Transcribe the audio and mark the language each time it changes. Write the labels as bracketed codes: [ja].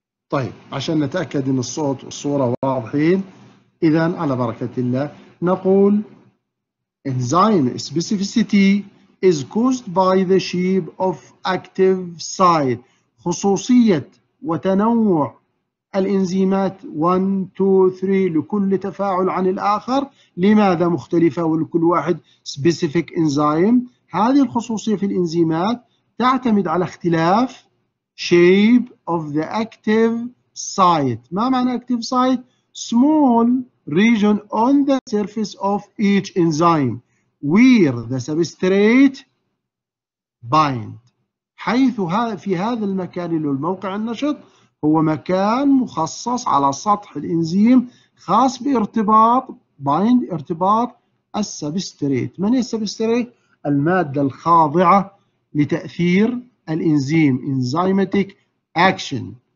[ar] طيب عشان نتأكد أن الصوت والصورة واضحين، إذا على بركة الله نقول enzyme specificity is caused by the shape of active site، خصوصية وتنوع الإنزيمات 1 2 3 لكل تفاعل عن الآخر. لماذا مختلفة ولكل واحد specific enzyme؟ هذه الخصوصية في الإنزيمات تعتمد على اختلاف shape of the active site. [en] ما معنى active site؟ small region on the surface of each enzyme where the substrate bind. [ar] حيث في هذا المكان اللي هو الموقع النشط هو مكان مخصص على سطح الإنزيم خاص بارتباط bind ارتباط السبستريت. من هي السبستريت؟ المادة الخاضعة لتأثير الإنزيم enzymatic action.